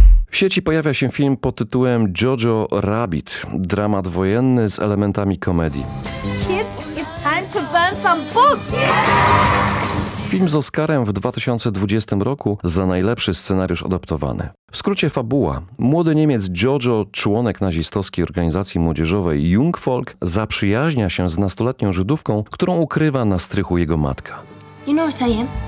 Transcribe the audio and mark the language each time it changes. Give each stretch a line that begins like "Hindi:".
Polish: W sieci pojawia się film pod tytułem Jojo Rabbit, dramat wojenny z elementami komedii.
English: Kids, it's time to burn some books.
Polish: Film z Oscarem w 2020 roku za najlepszy scenariusz adaptowany. W skrócie fabuła. Młody Niemiec Jojo, członek nazistowskiej organizacji młodzieżowej Jungvolk, zaprzyjaźnia się z nastoletnią Żydówką, którą ukrywa na strychu jego matka.
English: You know what I am?